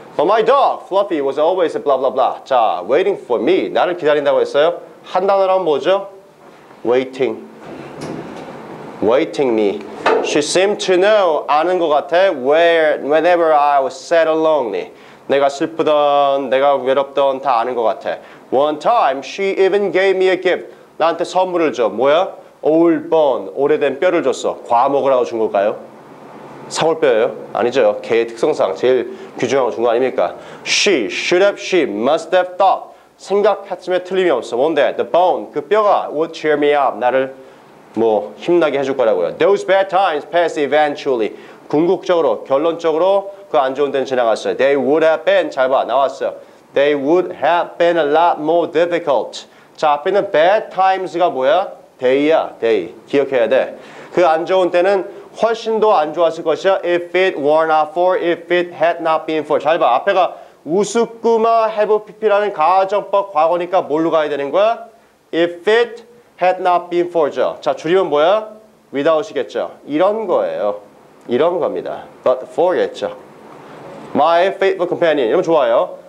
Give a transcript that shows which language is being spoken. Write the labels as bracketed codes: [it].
[en] But my dog, Fluffy, was always blah blah blah. 자, waiting for me. [ko] 나를 기다린다고 했어요. 한 단어로 하면 뭐죠? [en] Waiting. Waiting me. She seemed to know, [ko] 아는 것 같아. [en] Whenever I was sad or lonely. [ko] 내가 슬프던, 내가 외롭던 다 아는 것 같아. [en] One time, she even gave me a gift. [ko] 나한테 선물을 줘. 뭐야? [en] Old bone, [ko] 오래된 뼈를 줬어. 과목이라고 준 걸까요? 사골뼈예요? 아니죠. 개의 특성상 제일 귀중하고 준 거 아닙니까? [en] She should have, she must have thought. [ko] 생각했음에 틀림이 없어. 뭔데? [en] The bone, [ko] 그 뼈가 [en] would cheer me up. [ko] 나를 뭐 힘나게 해줄 거라고요. [en] Those bad times pass eventually. [ko] 궁극적으로, 결론적으로 그 안 좋은 데는 지나갔어요. [en] They would have been, [ko] 잘 봐, 나왔어요. [en] They would have been a lot more difficult. [ko] 자, 앞에 있는 [en] bad times [ko] 가 뭐야? Day야, day. 기억해야 돼. 그 안 좋은 때는 훨씬 더 안 좋았을 것이야. [en] If it were not for, if it had not been for. [ko] 잘 봐, 앞에가 우스꾸마 해부피피라는 가정법 과거니까 뭘로 가야 되는 거야? [en] If it had not been for [ko] 죠. 자, 줄이면 뭐야? Without이겠죠. 이런 거예요. 이런 겁니다. But for겠죠. [en] My faithful companion. 이러면 좋아요.